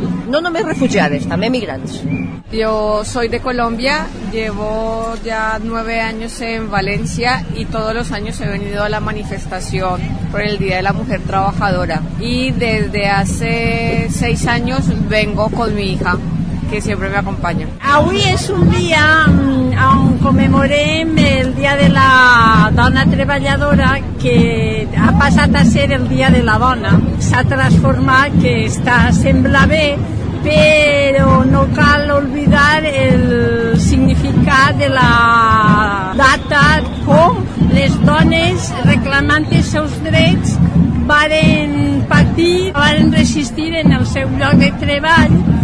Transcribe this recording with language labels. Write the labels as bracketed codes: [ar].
[ca] No només refugiades, també migrants. [es] Yo soy de Colombia, llevo ya 9 años en Valencia y todos los años he venido a la manifestación por el Día de la Mujer Trabajadora. Y desde hace 6 años vengo con mi hija, que siempre me acompaña. [ca] Avui es un día, aún conmemorem el Día de la Dona Treballadora, que ha passat a ser el Dia de la Dona. S'ha transformat, que està, sembla bé, però no cal oblidar el significat de la data com les dones reclamant els seus drets varen patir, varen resistir en el seu lloc de treball.